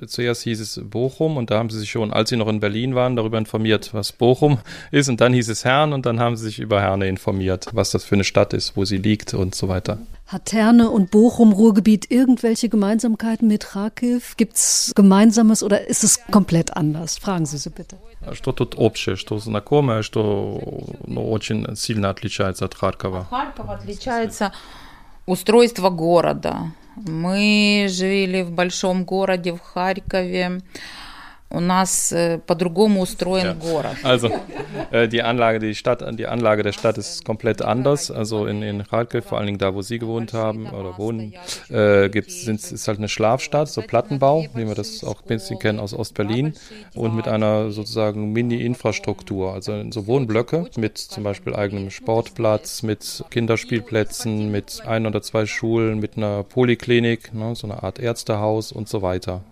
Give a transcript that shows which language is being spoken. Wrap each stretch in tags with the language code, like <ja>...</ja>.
<de>Zuerst hieß es Bochum und da haben Sie sich schon, als Sie noch in Berlin waren, darüber informiert, was Bochum ist. Und dann hieß es Herne und dann haben Sie sich über Herne informiert, was das für eine Stadt ist, wo sie liegt und so weiter. Hat Herne und Bochum, Ruhrgebiet, irgendwelche Gemeinsamkeiten mit Kharkiv? Gibt es Gemeinsames oder ist es komplett anders? Fragen Sie so bitte.</de> <ru>Что тут общее, что знакомое, что очень сильно отличается от Харькова? Харьков отличается устройство города. Мы жили в большом городе, в Харькове. У нас по-другому устроен город.</ru> <de>Also, die Anlage der Stadt ist komplett anders. Also in Kharkiv, vor allen Dingen da, wo Sie gewohnt haben oder wohnen, ist halt eine Schlafstadt, so Plattenbau, wie wir das auch ein bisschen kennen aus Ost-Berlin, und mit einer sozusagen Mini-Infrastruktur, also so Wohnblöcke mit zum Beispiel eigenem Sportplatz, mit Kinderspielplätzen, mit ein oder zwei Schulen, mit einer Poliklinik, ne, so eine Art Ärztehaus und so weiter.</de>